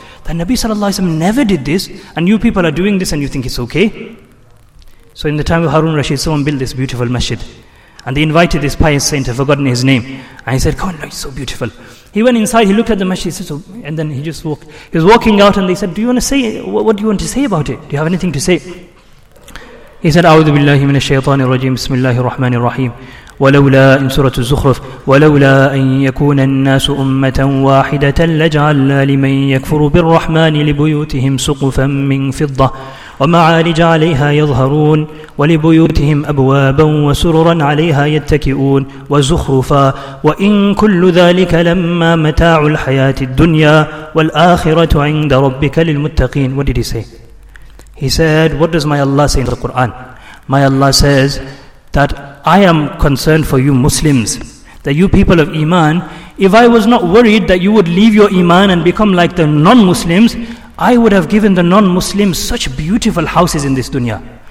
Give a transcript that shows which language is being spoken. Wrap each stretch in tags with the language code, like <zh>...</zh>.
<en>The Nabi sallallahu alayhi wa sallam never did this, and you people are doing this and you think it's okay. So in the time of Harun Rashid, someone built this beautiful masjid. And they invited this pious saint, I've forgotten his name. And he said, come on, look, it's so beautiful. He went inside, he looked at the masjid, and then he just walked. He was walking out and they said, do you want to say, what do you want to say about it? Do you have anything to say? He said,</en> <ar>أعوذ بالله من الشيطان الرجيم بسم الله الرحمن الرحيم ولولا إن سورة الزخرف ولولا أن يكون الناس أمة واحدة لجعلنا لمن يكفر بالرحمن لبيوتهم سقفا من فضة ومعارج عليها يظهرون ولبيوتهم أبوابا وسررا عليها يتكئون وزخرفا وإن كل ذلك لما متاع الحياة الدنيا والآخرة عند ربك للمتقين.</ar> <en>What did he say? He said, what does my Allah say in the Quran? My Allah says that I am concerned for you Muslims, that you people of Iman, if I was not worried that you would leave your Iman and become like the non-Muslims, I would have given the non-Muslims such beautiful houses in this dunya.</en>